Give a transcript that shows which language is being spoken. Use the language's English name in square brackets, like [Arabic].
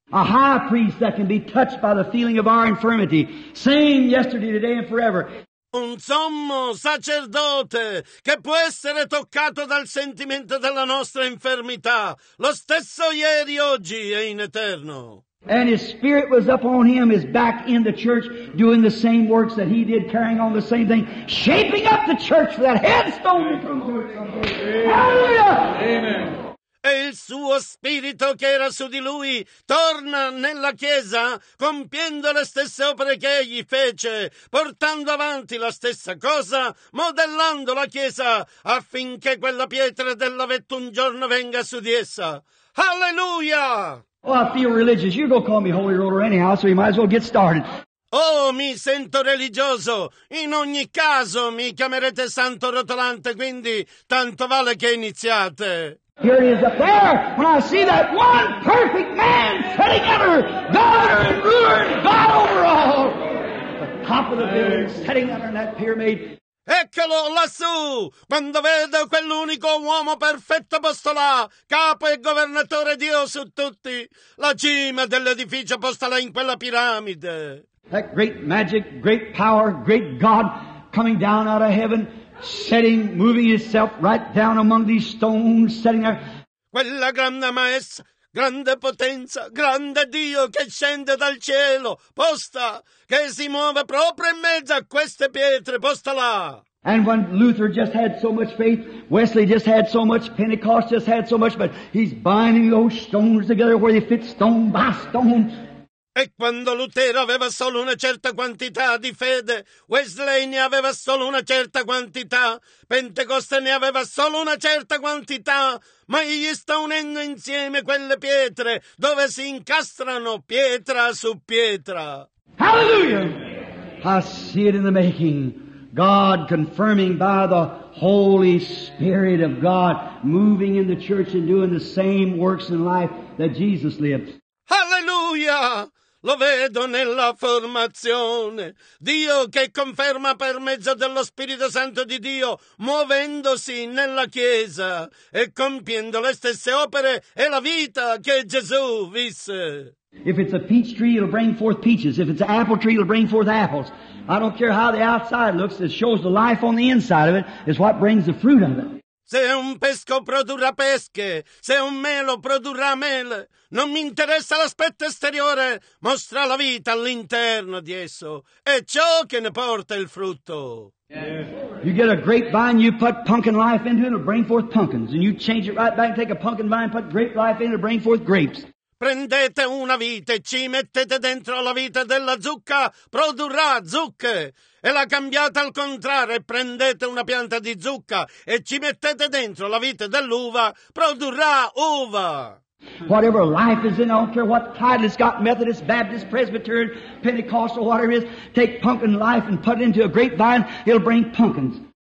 [English] A high priest that can be touched by the feeling of our infirmity, same yesterday, today and forever. [Italian] Un sommo sacerdote che può essere toccato dal sentimento della nostra infermità, lo stesso ieri, oggi e in eterno. [English] And his spirit was up on him, is back in the church, doing the same works that he did, carrying on the same thing, shaping up the church for that headstone. Hallelujah! Amen. [Italian] E il suo spirito che era su di lui torna nella chiesa compiendo le stesse opere che egli fece, portando avanti la stessa cosa, modellando la chiesa affinché quella pietra della vetta un giorno venga su di essa. Alleluia! [English] Oh, I feel religious. You go call me Holy Roller anyhow, so you might as well get started. [Italian] Oh, mi sento religioso. In ogni caso mi chiamerete Santo Rotolante, quindi tanto vale che iniziate. [English] Here he is up there, when I see that one perfect man sitting ever, governor and ruler and God over all. The top of the building, sitting under that pyramid. [Italian] Eccolo lassù, quando vedo quell'unico uomo perfetto posto là, capo e governatore Dio su tutti, la cima dell'edificio posta là in quella piramide. [English] That great magic, great power, great God coming down out of heaven, sitting, moving itself right down among these stones, sitting there. [Italian] Quella grande maestra, grande potenza, grande Dio che scende dal cielo, posta, che si muove proprio in mezzo a queste pietre, posta là. [English] And when Luther just had so much faith, Wesley just had so much, Pentecost just had so much, but he's binding those stones together where they fit stone by stone. [Italian] E quando Lutero aveva solo una certa quantità di fede, Wesley ne aveva solo una certa quantità, Pentecoste ne aveva solo una certa quantità, ma egli sta unendo insieme quelle pietre dove si incastrano pietra su pietra. [English] Hallelujah! I see it in the making. God confirming by the Holy Spirit of God, moving in the church and doing the same works in life that Jesus lived. Hallelujah! [Italian] Lo vedo nella formazione. Dio che conferma per mezzo dello Spirito Santo di Dio, muovendosi nella Chiesa e compiendo le stesse opere e la vita che Gesù visse. [English] If it's a peach tree, it'll bring forth peaches. If it's an apple tree, it'll bring forth apples. I don't care how the outside looks, it shows the life on the inside of it is what brings the fruit of it. [Italian] Se un pesco produrrà pesche, se un melo produrrà mele, non mi interessa l'aspetto esteriore, mostra la vita all'interno di esso, è ciò che ne porta il frutto. [English] You get a grapevine, you put pumpkin life into it, it'll bring forth pumpkins. And you change it right back, take a pumpkin vine, put grape life in it, it'll bring forth grapes. [Italian] Prendete una vite, ci mettete dentro la vite della zucca, produrrà zucche. E la cambiate al contrario, prendete una pianta di zucca e ci mettete dentro la vite dell'uva, produrrà uva. [English] Whatever life is in, I don't care what title it's got, Methodist, Baptist, Presbyterian, Pentecostal, whatever it is, take pumpkin life and put it into a grapevine, it'll bring pumpkins.